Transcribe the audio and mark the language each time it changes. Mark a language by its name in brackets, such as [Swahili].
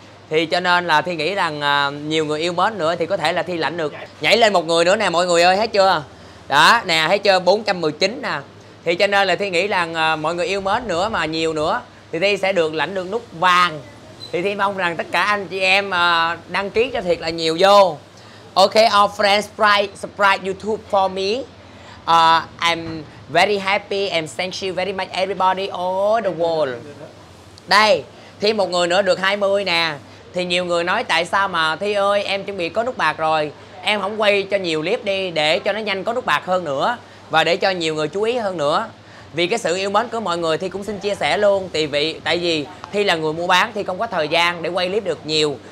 [Vietnamese] Thì cho nên là Thi nghĩ rằng nhiều người yêu mến nữa thì có thể là Thi lãnh được. Nhảy lên một người nữa nè mọi người ơi, thấy chưa? Đó nè, thấy chưa, 419 nè. Thì cho nên là Thi nghĩ rằng mọi người yêu mến nữa mà nhiều nữa thì Thi sẽ được lãnh được nút vàng. Thì Thi mong rằng tất cả anh chị em đăng ký cho thiệt là nhiều vô. [English] Ok, all friends, subscribe YouTube for me. I'm very happy and thank you very much everybody all the world. [Vietnamese] Đây, Thi một người nữa được 20 nè. Thì nhiều người nói tại sao mà Thi ơi, em chuẩn bị có nút bạc rồi, em không quay cho nhiều clip đi để cho nó nhanh có nút bạc hơn nữa và để cho nhiều người chú ý hơn nữa. Vì cái sự yêu mến của mọi người Thi cũng xin chia sẻ luôn. Tại vì Thi là người mua bán, Thi không có thời gian để quay clip được nhiều.